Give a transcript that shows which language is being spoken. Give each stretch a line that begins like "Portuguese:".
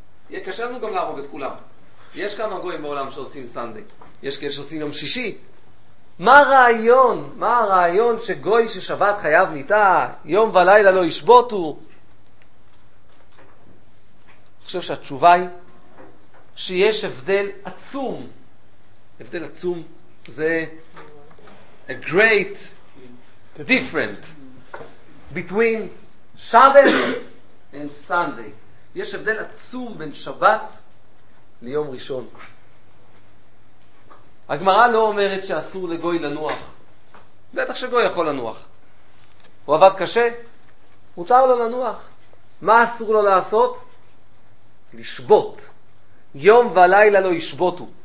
Hebrew: יהיה קשה לנו גם להרוג את כולם. יש כמה גויים בעולם שעושים סנדיי. יש כאלה שעושים יום שישי. מה הרעיון? מה הרעיון שגוי ששבת חייב מיטה, יום ולילה לא ישבותו? אני חושב שהתשובה היא שיש הבדל עצום. הבדל עצום זה
English: a great different between Shabbat and Sunday.
Hebrew: יש הבדל עצום בין שבת ליום ראשון. הגמרא לא אומרת שאסור לגוי לנוח. בטח שגוי יכול לנוח. הוא עבד קשה, מותר לו לנוח. מה אסור לו לעשות? לשבות. יום ולילה לא ישבותו.